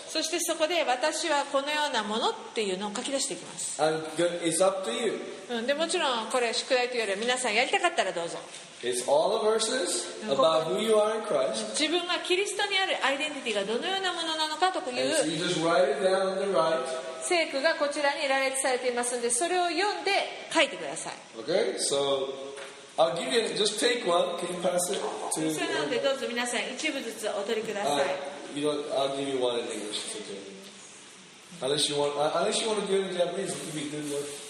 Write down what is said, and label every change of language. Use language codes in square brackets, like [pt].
[ja] そしてそこで私はこのようなものっていうのを書き出していきます。 [en] And it's up to you. [ja] うん、でもちろんこれ宿題というよりは皆さんやりたかったらどうぞ。 [en] It's all the verses about who you are in Christ. [ja] 自分がキリストにあるアイデンティティがどのようなものなのかという聖句がこちらに羅列されていますので、それを読んで書いてください。 [en] Okay, so I'll give you, just take one. Can you pass it to me? [ja] それなのでどうぞ皆さん一部ずつお取りください。 [en] I'll give you one in English. It's okay. Unless you want to do it in Japanese, you can do it in Japanese.